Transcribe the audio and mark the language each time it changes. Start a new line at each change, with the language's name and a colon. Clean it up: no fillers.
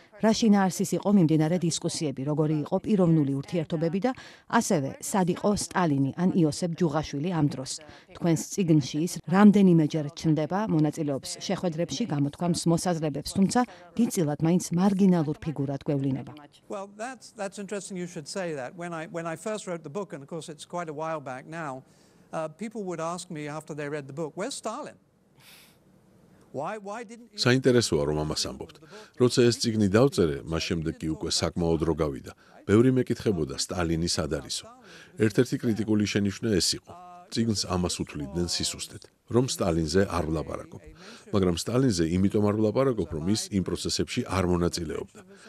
Georgian: რა შინაარსის იყო მიმდინარე დისკუსიები, როგორი იყო პიროვნული ურთიერთობები და ასევე სად იყო სტალინი ან იოსებ ჯუღაშვილი ამ დროს? თქვენს წიგნში ის რამდენიმეჯერ ჩნდება, მონაწილეობს შეხვედრებში, გამოთქვამს მოსაზრებებს, თუმცა დიდწილად მაინც მარგინალურ ფიგურად გვევლინება.
English: Well, that's interesting you should say that. When I first wrote the book, and of course it's quite a while back now, people would ask me after they read the book, where's Stalin?
Georgian: საინტერესოა რომ ამას ამბობთ. როცა ეს წიგნი დავწერე, მას შემდეგ კი უკვე საკმაოდ რო გავიდა. ბევრი მეკითხებოდა სტალინი სად არისო. ერთ-ერთი კრიტიკული შენიშვნა ეს იყო. წიგნს ამას უთვლიდნენ სისუსტედ, რომ სტალინზე არ ვლაპარაკობ. მაგრამ სტალინზე იმიტომ არ ვლაპარაკობ, რომ ის იმ პროცესებში არ მონაწილეობდა.